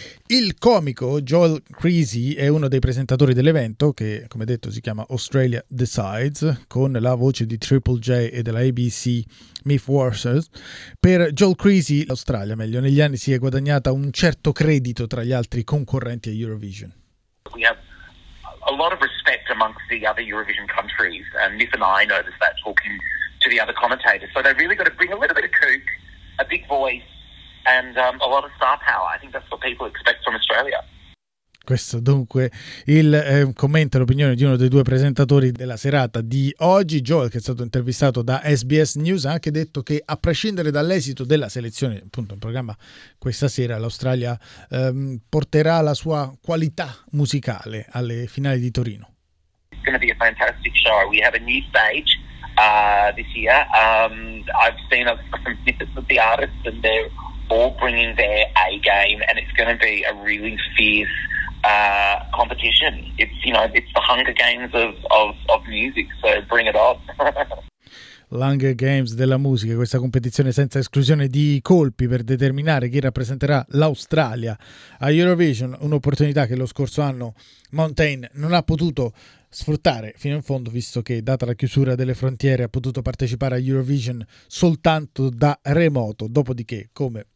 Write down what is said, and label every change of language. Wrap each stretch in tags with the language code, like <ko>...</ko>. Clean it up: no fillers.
<it>Il comico Joel Creasy è uno dei presentatori dell'evento, che come detto si chiama Australia Decides, con la voce di Triple J e della ABC Myth Warsers. Per Joel Creasy l'Australia, meglio, negli anni si è guadagnata un certo credito tra gli altri concorrenti a Eurovision.</it> <en>A lot of respect amongst the other Eurovision countries, and Nick and I noticed that talking to the other commentators. So they've really got to bring a little bit of kook, a big voice, and a lot of star power. I think that's what people expect from Australia.</en> <it>Questo dunque il commento e l'opinione di uno dei due presentatori della serata di oggi. Joel, che è stato intervistato da SBS News, ha anche detto che a prescindere dall'esito della selezione, appunto un programma questa sera, l'Australia porterà la sua qualità musicale alle finali di Torino.</it> <en>It's going to be a fantastic show. We have a new stage this year. I've seen some snippets of the artists and they're all bringing their A game, and it's going to be a really fierce competition. It's, you know, it's the Hunger Games of music, so bring it on.</en> <it>Hunger Games della musica, questa competizione senza esclusione di colpi per determinare chi rappresenterà l'Australia a Eurovision, un'opportunità che lo scorso anno Mountain non ha potuto sfruttare fino in fondo, visto che data la chiusura delle frontiere ha potuto partecipare a Eurovision soltanto da remoto, dopodiché, come</it>